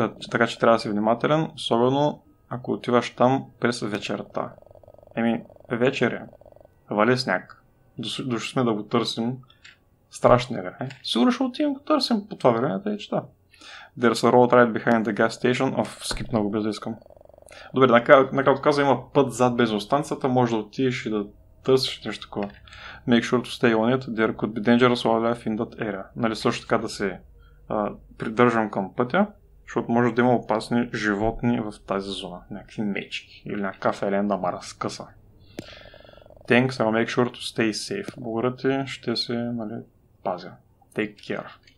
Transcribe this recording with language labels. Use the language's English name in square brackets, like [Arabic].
[Bulgarian] Така че трябва да си внимателен, особено ако отиваш там през вечерта. Еми, вечер е. Вали сняг. Дошли сме да го търсим. Страшни игра, е. Сигурно ще отивам го търсим по това време, тъй че да. [English] There's a road right behind the gas station. [Bulgarian] Оф, скип много без да искам. Добре, накрат каза има път зад бензиностанцията, може да отидеш и да търсиш нещо такова. [English] Make sure to stay on it, there could be dangerous wildlife in that area. [Bulgarian] Нали също така да се придържам към пътя, защото може да има опасни животни в тази зона. Някакви мечки или някакъв елен да ма разкъса. [English] Thanks, I'll make sure to stay safe. [Bulgarian] Благодаря ти, ще се, нали, пазя. [English] Take care.